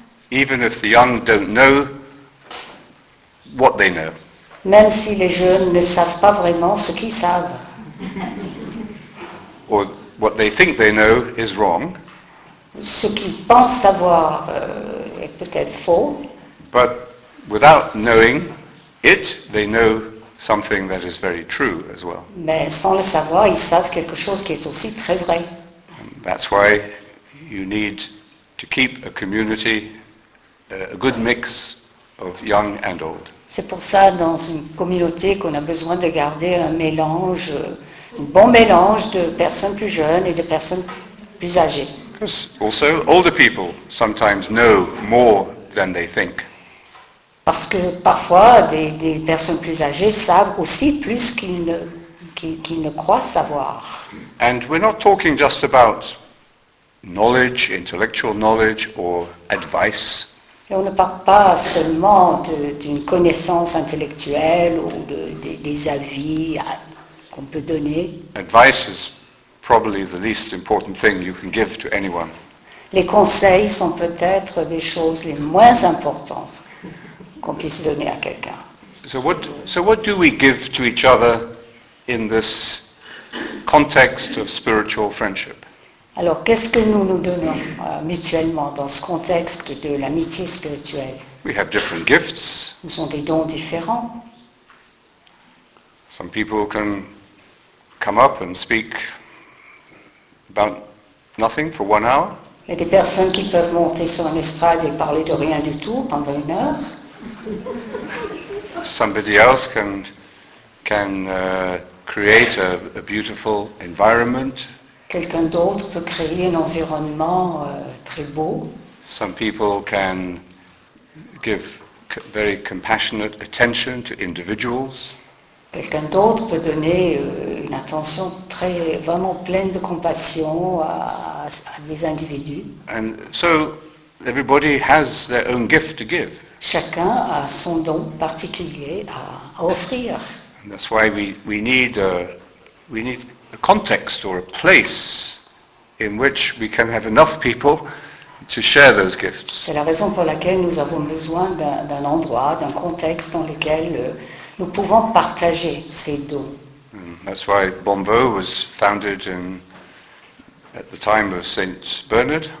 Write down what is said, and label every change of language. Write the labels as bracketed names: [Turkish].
[English] Even if the young don't know what they know. [French] Même si les jeunes ne savent pas vraiment ce qu'ils savent. [English] Or what they think they know is wrong. [French] Ce qu'ils pensent savoir est peut-être faux. [English] But without knowing it, they know something that is very true as well. [French] Mais sans le savoir, ils savent quelque chose qui est aussi très vrai. [English] And that's why you need to keep a community, a good mix of young and old. [French] C'est pour ça, dans une communauté, qu'on a besoin de garder un mélange, un bon mélange de personnes plus jeunes et de personnes plus âgées. [English] Because also, older people sometimes know more than they think. [French] Parce que parfois, des personnes plus âgées savent aussi plus qu'ils ne croient savoir. [English] And we're not talking just about knowledge, intellectual knowledge or advice. [French] Et on ne parle pas seulement d'une connaissance intellectuelle ou des avis qu'on peut donner. [English] Advice is probably the least important thing you can give to anyone. [French] Les conseils sont peut-être des choses les moins importantes qu'on puisse donner à quelqu'un. [English] So what do we give to each other in this context of spiritual friendship? [French] Alors, qu'est-ce que nous donnons mutuellement dans ce contexte de l'amitié spirituelle? [English] We have different gifts. [French] Nous avons des dons différents. [English] Some people can come up and speak about nothing for one hour. [French] Il y a des personnes qui peuvent monter sur une estrade et parler de rien du tout pendant une heure. [English] Somebody else can create a beautiful environment. [French] Quelqu'un d'autre peut créer un environnement très beau. [English] Some people can give very compassionate attention to individuals. [French] Quelqu'un d'autre peut donner une attention très vraiment pleine de compassion à des individus. [English] And so everybody has their own gift to give. [French] Chacun a son don particulier à offrir. [English] And that's why we need a context or a place in which we can have enough people to share those gifts. [French] C'est la raison pour laquelle nous avons besoin d'un endroit, d'un contexte dans lequel nous pouvons partager ces dons. [English] That's why Bonveau was founded at the time of Saint Bernard.